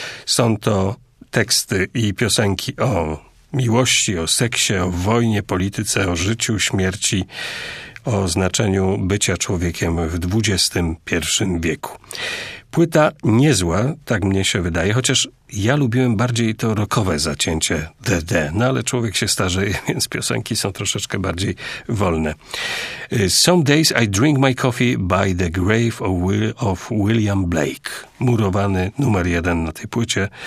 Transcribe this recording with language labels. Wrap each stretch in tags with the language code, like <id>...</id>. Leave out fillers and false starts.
<pl>Są to teksty i piosenki o miłości, o seksie, o wojnie, polityce, o życiu, śmierci, o znaczeniu bycia człowiekiem w XXI wieku. Płyta niezła, tak mnie się wydaje, chociaż ja lubiłem bardziej to rockowe zacięcie DD, no ale człowiek się starzeje, więc piosenki są troszeczkę bardziej wolne.</pl> <en>Some days I drink my coffee by the grave of William Blake.</en> <pl>Murowany numer jeden na tej płycie.</pl>